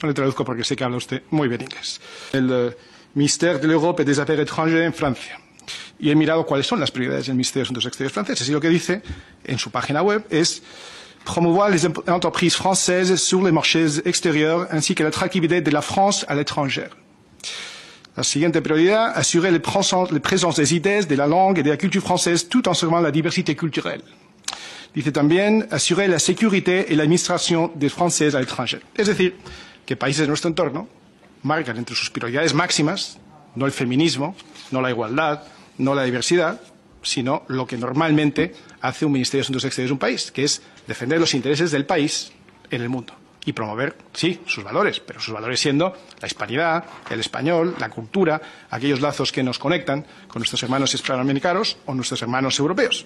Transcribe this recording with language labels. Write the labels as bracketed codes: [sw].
[es] No le traduzco porque sé que habla usted muy bien inglés. El Ministerio de l'Europe et des Affaires étrangères en Francia. Y he mirado cuáles son las prioridades del Ministerio de Asuntos Exteriores franceses. Y lo que dice en su página web es [fr] promouvoir les entreprises françaises sur les marchés extérieurs ainsi que l'attractivité de la France à l'étranger. [es] La siguiente prioridad, [fr] assurer la présence des idées, de la langue et de la culture française tout en sauvant la diversité culturelle. [es] Dice también, [fr] assurer la sécurité et l'administration des Français à l'étranger. [es] Es decir, que países de nuestro entorno marcan entre sus prioridades máximas, no el feminismo, no la igualdad, no la diversidad, sino lo que normalmente hace un Ministerio de Asuntos Exteriores de un país, que es defender los intereses del país en el mundo. Y promover, sí, sus valores, pero sus valores siendo la hispanidad, el español, la cultura, aquellos lazos que nos conectan con nuestros hermanos hispanoamericanos o nuestros hermanos europeos.